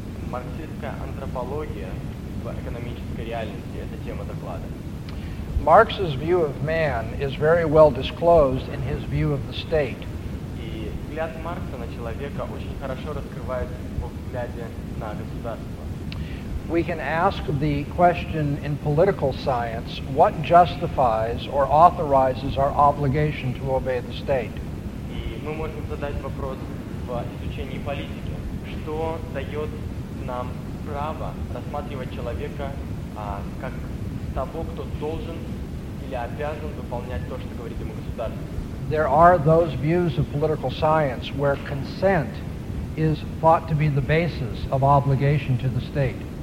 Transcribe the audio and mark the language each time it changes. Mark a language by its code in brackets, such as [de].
[ru] Марксистская антропология в экономической реальности – это тема доклада. [en] Marx's view of man is very well disclosed in his view of the state. [ru] И взгляд Маркса на человека очень хорошо раскрывает его взгляде на государство. [en] We can ask the question in political science, what justifies or authorizes our obligation to obey the state? [ru] И мы можем задать вопрос в изучении политики. Что дает нам право рассматривать человека как того, кто должен или обязан выполнять то, что говорит ему государство. [en] There are those views of political science where consent is thought to be the basis of obligation to the state.